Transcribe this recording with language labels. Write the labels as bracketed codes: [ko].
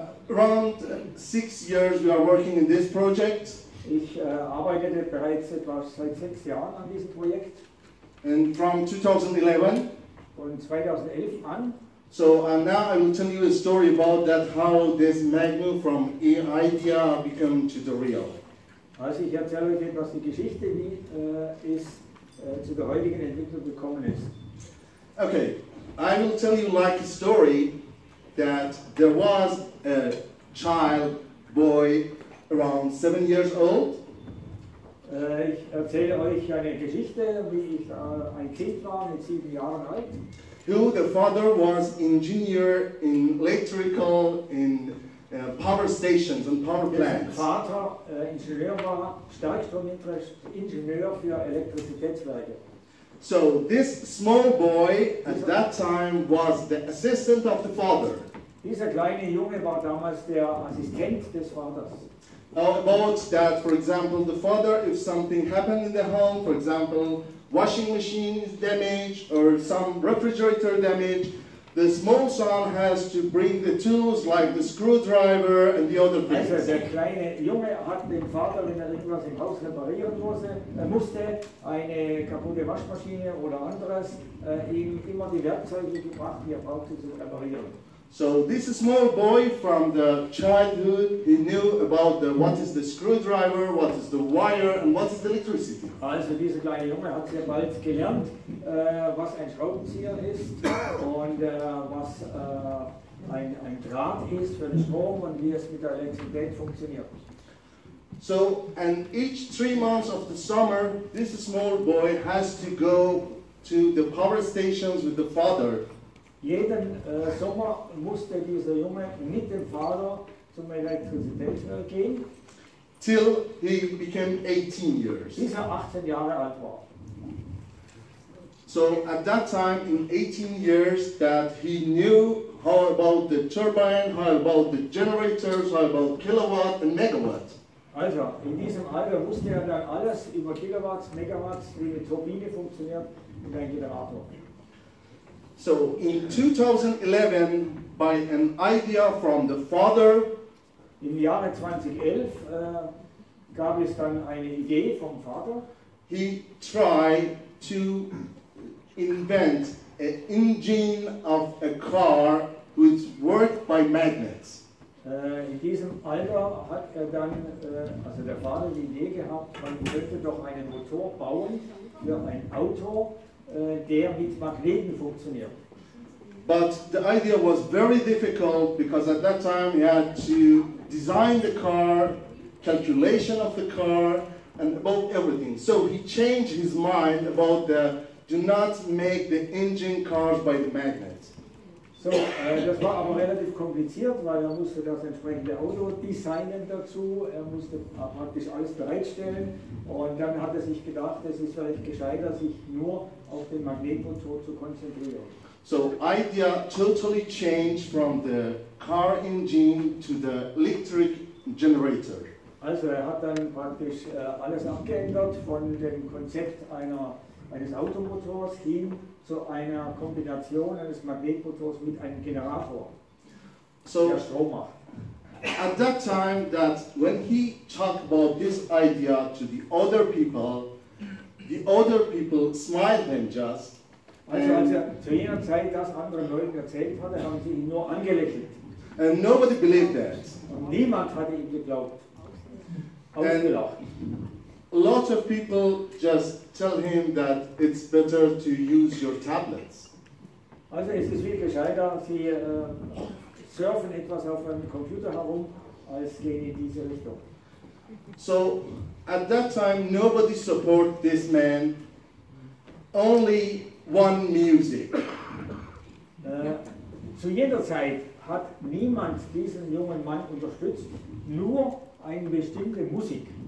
[en] Around 6 years we are working in this project. [de] Ich arbeitete bereits etwa seit 6 Jahren an diesem Projekt. [en] And from 2011. [de] Von 2011 an. [en] So now I will tell you a story about that, how this Magmov from idea became to the real. [de] Also ich erzähle euch etwas die Geschichte, wie es zu der heutigen Entwicklung gekommen ist. [en] Okay, I will tell you like a story that there was a child boy around 7 years old. [de] Ich erzähle euch eine Geschichte, wie ich ein Kind war mit 7 Jahren alt. [en] Who the father was engineer in electrical in power stations and power plants. [de] Vater Ingenieur war Starkstromingenieur für Elektrizitätswerke. [en] So this small boy at that time was the assistant of the father. [de] Dieser kleine Junge war damals der Assistent des Vaters. [en] About that, for example, the father, if something happened in the home, for example, washing machine is damaged or some refrigerator damaged, the small son has to bring the tools like the screwdriver and the other things. [de] Also, der kleine Junge hat den Vater, wenn irgendwas im Haus reparieren musste, eine kaputte Waschmaschine oder anderes, ihm immer die Werkzeuge gebracht, die brauchte zu reparieren. [en] So this small boy from the childhood, he knew about the what is the screwdriver, what is the wire, and what is the electricity. [de] Also dieser kleine Junge hat sehr bald gelernt, was ein Schraubenzieher ist und was ein Draht ist für den Strom und wie es mit der Elektrizität funktioniert. [en] So, and each 3 months of the summer, this small boy has to go to the power stations with the father. [de] Jeden Sommer musste dieser Junge mit dem Vater zum Elektrizitätswerk gehen. [en] Till he became 18 years. [de] Bis er 18 Jahre alt war. [en] So at that time, in 18 years, that he knew how about the turbine, how about the generators, how about kilowatt and megawatt. [de] Also, in diesem Alter wusste er dann alles über Kilowatts, Megawatts, wie eine Turbine funktioniert und ein Generator. [en] So, in 2011, by an idea from the father, [de] im Jahre 2011 gab es dann eine Idee vom Vater. [en] He tried to invent an engine of a car which worked by magnets. [de] In diesem Alter hat er dann, also der Vater, die Idee gehabt, man könnte doch einen Motor bauen für ein Auto, der mit Magneten funktioniert. [en] But the idea was very difficult because at that time he had to design the car, calculation of the car, and about everything. So he changed his mind about the do not make the engine cars by the magnets. [de] So, das war aber relativ kompliziert, weil er musste das entsprechende Auto designen dazu, er musste praktisch alles bereitstellen und dann hat er sich gedacht, es ist vielleicht gescheiter, sich nur auf den Magnetmotor zu konzentrieren. [en] So, idea totally changed from the car engine to the electric generator. [de] Also, er hat dann praktisch alles abgeändert von dem Konzept eines Automotors hin zu einer Kombination eines Magnetmotors mit einem Generator, so, der Strom macht. [en] At that time, that when he talked about this idea to the other people smiled him just. [de] Also als er zu jener Zeit das anderen Leuten erzählt hatte, haben sie ihn nur angelächelt. [en] And nobody believed that. [de] Und niemand hatte ihm geglaubt. Ausgelacht. [en] A lot of people just tell him that it's better to use your tablets. [de] Also es ist viel gescheiter, sie surfen etwas auf einem Computer herum, als gehen in diese Richtung. [en] So, at that time nobody support this man, only one music. [de] Zu jeder Zeit hat niemand diesen jungen Mann unterstützt, nur eine bestimmte Musik.